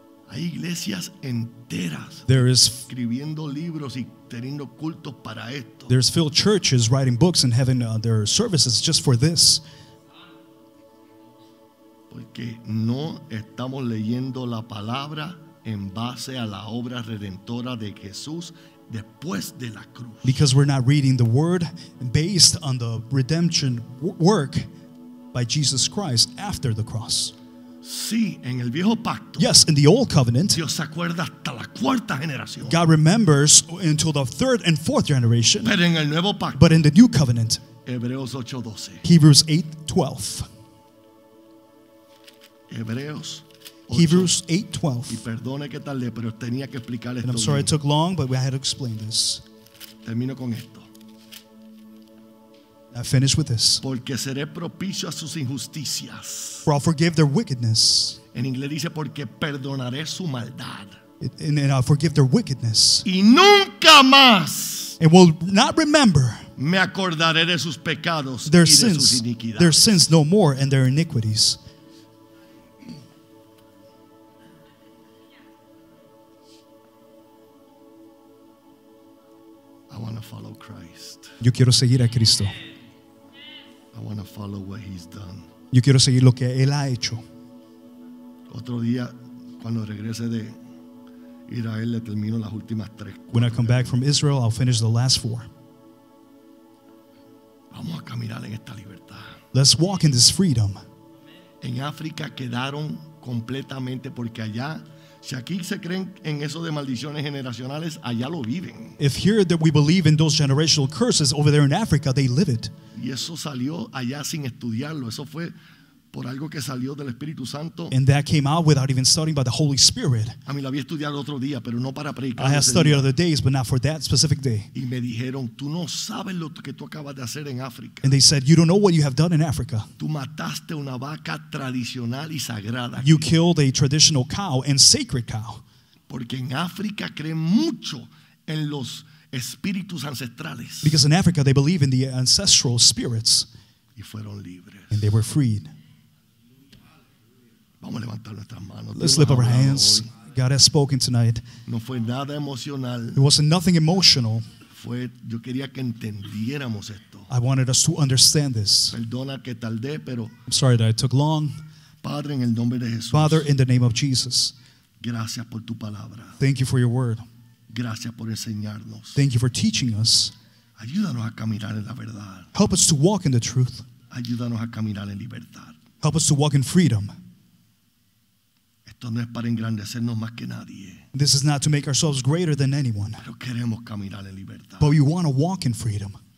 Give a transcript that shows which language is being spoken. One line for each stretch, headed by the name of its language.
Spanish: Hay iglesias enteras escribiendo libros y teniendo cultos para esto.
English: There's filled churches writing books and having their services just for this.
Spanish: Porque no estamos leyendo la palabra en base a la obra redentora de Jesús después de la cruz.
English: Because we're not reading the word based on the redemption work by Jesus Christ after the cross.
Spanish: Sí, en el viejo pacto.
English: Yes, in the old covenant.
Spanish: Dios se acuerda hasta la cuarta generación.
English: God remembers until the third and fourth generation.
Spanish: Pero en el nuevo pacto.
English: But in the new covenant.
Spanish: Hebreos 8:12.
English: Hebrews 8:12.
Spanish: Hebreos
English: Hebrews 8:12.
Spanish: Y perdone que tardé, pero tenía que explicar esto.
English: And I'm sorry it took long, but we had to explain this.
Spanish: Termino con esto.
English: I finish with this.
Spanish: Porque seré propicio a sus injusticias.
English: For I'll forgive their wickedness.
Spanish: En inglés dice porque perdonaré su maldad.
English: And I'll forgive their wickedness.
Spanish: Y nunca más.
English: And will not remember.
Spanish: Me acordaré de sus pecados
English: their
Spanish: y
English: sins,
Spanish: de sus iniquidades.
English: Their sins no more and their iniquities. I want to follow Christ.
Spanish: Yo quiero seguir a Cristo.
English: I want to follow what he's done.
Spanish: Yo quiero seguir lo que él ha hecho. Otro día cuando regrese de Israel le termino las últimas tres.
English: When I come back from Israel, I'll finish the last four.
Spanish: Vamos a caminar en esta libertad.
English: Let's walk in this freedom.
Spanish: En África quedaron completamente porque allá si aquí se creen en eso de maldiciones generacionales, allá lo viven.
English: If here that we believe in those generational curses over there in Africa, they live it.
Spanish: Y eso salió allá sin estudiarlo. Eso fue por algo que salió del Espíritu Santo.
English: And that came out without even studying by the Holy Spirit.
Spanish: A mí lo había estudiado otro día, pero no para predicar.
English: I have studied other days, but not for that specific day.
Spanish: Y me dijeron, tú no sabes lo que tú acabas de hacer en África.
English: And they said, you don't know what you have done in Africa.
Spanish: Tú mataste una vaca tradicional y sagrada.
English: You killed a traditional cow and sacred cow.
Spanish: Porque en África creen mucho en los espíritus ancestrales.
English: Because in Africa they believe in the ancestral spirits.
Spanish: Y fueron libres.
English: And they were freed.
Spanish: Vamos a levantar nuestras manos.
English: Let's lift our hands. God has spoken tonight.
Spanish: No fue nada emocional.
English: It wasn't nothing emotional.
Spanish: Fue, yo quería que entendiéramos esto.
English: I wanted us to understand this.
Spanish: Perdona que tardé, pero
English: I'm sorry that it took long.
Spanish: Padre, en el nombre de Jesús.
English: Father, in the name of Jesus.
Spanish: Gracias por tu palabra.
English: Thank you for your word.
Spanish: Gracias por enseñarnos.
English: Thank you for teaching us.
Spanish: Ayúdanos a caminar en la verdad.
English: Help us to walk in the truth.
Spanish: Ayúdanos a caminar en libertad.
English: Help us to walk in freedom.
Spanish: Esto no es para engrandecernos más que nadie.
English: This is not to make ourselves greater than anyone.
Spanish: Pero queremos caminar en libertad.
English: But we want to walk in freedom.